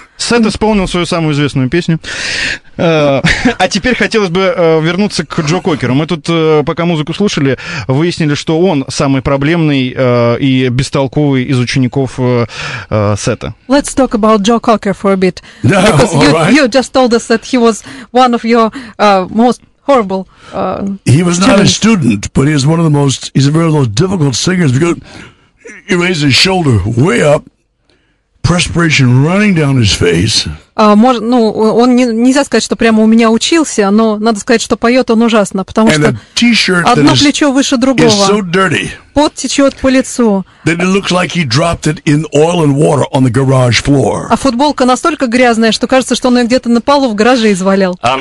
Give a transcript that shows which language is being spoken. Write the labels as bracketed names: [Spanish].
[Russian] Сэт исполнил свою самую известную песню. А теперь хотелось бы вернуться к Джо Кокеру. Мы тут, пока музыку слушали, выяснили, что он самый проблемный и бестолковый из учеников Сета. [English] Let's talk about Joe Cocker for a bit. Yeah, because all you, right. You just told us that he was one of your most horrible He was students. Not a student, but he is one of the most, he's a very little difficult singers because he raised his shoulder way up. Perspiration running down his face. [Russian] Ну, он нельзя сказать, что прямо у меня учился, но надо сказать, что поет он ужасно, потому что одно плечо выше другого. [English] So dirty, [Russian] пот течет по лицу. [English] That it looks like he dropped it in oil and water on the garage floor. [Russian] А футболка настолько грязная, что кажется, что он ее где-то на полу в гараже извалил.